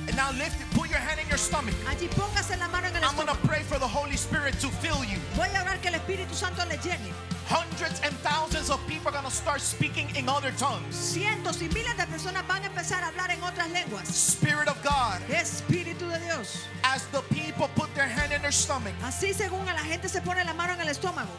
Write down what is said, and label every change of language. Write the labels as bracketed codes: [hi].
[en] Now lift it, put your hand in your stomach. [es] Allí póngase la mano en el [en] I'm going to pray for the Holy Spirit to fill you. [es] Voy a orar que el Espíritu Santo le llene. [en] Hundreds and thousands of people are going to start speaking in other tongues. [es] Cientos y miles de personas van a empezar a hablar en otras lenguas. [en] Spirit of God. [es] Espíritu de Dios. [en] As the people put their hand in their stomach. [es] Así según la gente se pone la mano en el estómago.